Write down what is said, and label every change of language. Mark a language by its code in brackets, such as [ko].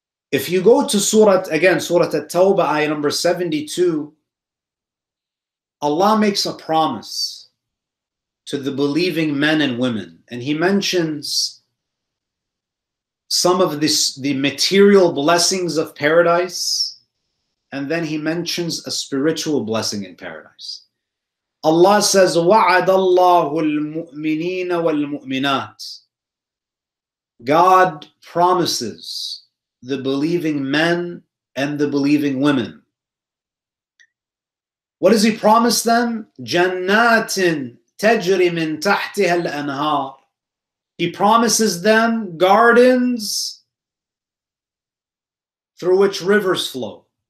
[en] If you go to Surah At-Tawbah, ayah number 72, Allah makes a promise to the believing men and women. And He mentions some of the material blessings of paradise, and then He mentions a spiritual blessing in paradise. Allah says, [ar] وَعَدَ اللَّهُ الْمُؤْمِنِينَ وَالْمُؤْمِنَاتِ. [en] God promises the believing men and the believing women. What does He promise them? [ar] جَنَّاتٍ تَجْرِ مِن تَحْتِهَا الْأَنْهَارِ. [en] He promises them gardens through which rivers flow.